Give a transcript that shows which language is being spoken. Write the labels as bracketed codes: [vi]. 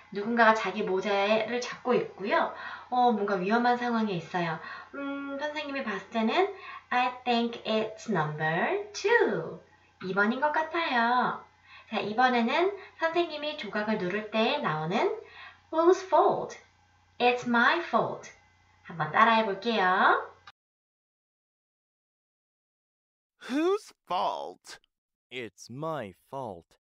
[ko] 누군가가 자기 모자를 잡고 있고요. 뭔가 위험한 상황에 있어요. 선생님이 봤을 때는 [en] I think it's number 2. [ko] 2번인 것 같아요. 자, 이번에는 선생님이 조각을 누를 때 나오는 [en] Whose fault? It's my fault. [ko] 한번 따라해 볼게요. [en] Whose fault? It's my fault.